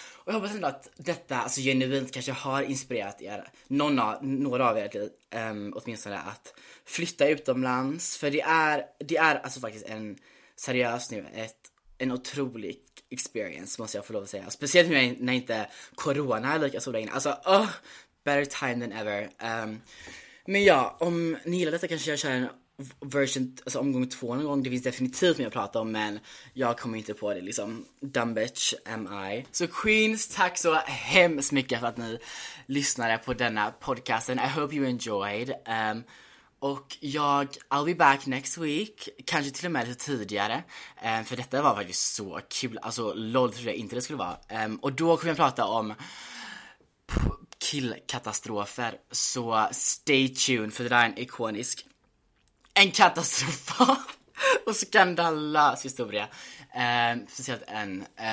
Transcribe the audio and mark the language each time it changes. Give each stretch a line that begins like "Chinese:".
Swedish: Och jag hoppas ändå att detta, alltså genuint, kanske har inspirerat er, några av er, åtminstone att flytta utomlands. För det är alltså faktiskt en seriös nu, en otrolig experience, måste jag få lov att säga. Speciellt när inte corona är lika så länge.
English: Alltså, better time than ever.
Swedish: Men ja, om ni gillar detta kanske jag kör en version, alltså omgång två någon gång. Det finns definitivt mer att prata om, men jag kommer inte på det liksom. Dumb bitch am I. Så queens, tack så hemskt mycket för att ni lyssnade på denna podcasten.
English: I hope you enjoyed. Och jag, I'll be back next week.
Swedish: Kanske till och med lite tidigare. För detta var faktiskt så kul. Alltså lol, tror jag inte det skulle vara. Och då kommer jag prata om killkatastrofer. Så stay tuned, för det där är en ikonisk, en katastrofal och skandalös historia. Speciellt en.